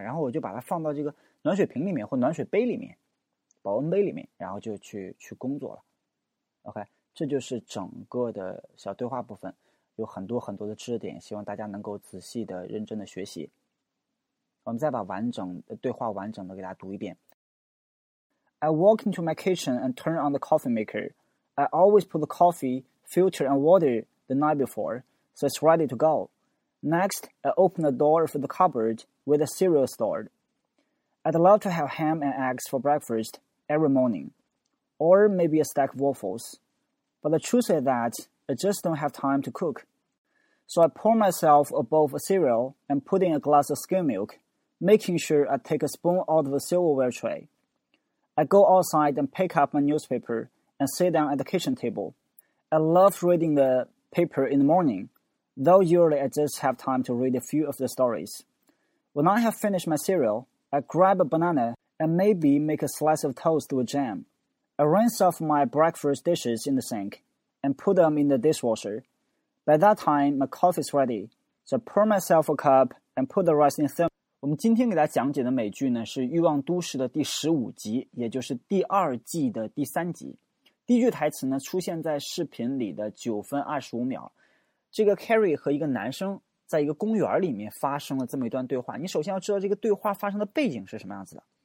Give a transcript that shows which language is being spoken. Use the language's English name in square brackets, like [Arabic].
[Chinese] 然后我就把它放到这个暖水瓶里面或暖水杯里面，保温杯里面，然后就去工作了。 OK， 这就是整个的小对话部分，有很多很多的知识点，希望大家能够仔细的、认真的学习。我们再把完整的对话完整的给大家读一遍。 [English] I walk into my kitchen and turn on the coffee maker. I always put the coffee, filter and water the night before, so it's ready to go. Next, I open the door for the cupboard where the cereal is stored. I'd love to have ham and eggs for breakfast every morning, or maybe a stack of waffles. But the truth is that I just don't have time to cook. So I pour myself a bowl of cereal and put in a glass of skim milk. Making sure I take a spoon out of the silverware tray. I go outside and pick up my newspaper and sit down at the kitchen table. I love reading the paper in the morning, though usually I just have time to read a few of the stories. When I have finished my cereal, I grab a banana and maybe make a slice of toast with jam. I rinse off my breakfast dishes in the sink and put them in the dishwasher. By that time, my coffee is ready, so I pour myself a cup and put the rest in the thermos. [Chinese] 我们今天给大家讲解的美剧呢，是《欲望都市》的第十五集，也就是第二季的第三集。第一句台词呢，出现在视频里的9分25秒。这个 Carrie 和一个男生在一个公园里面发生了这么一段对话。你首先要知道这个对话发生的背景是什么样子的。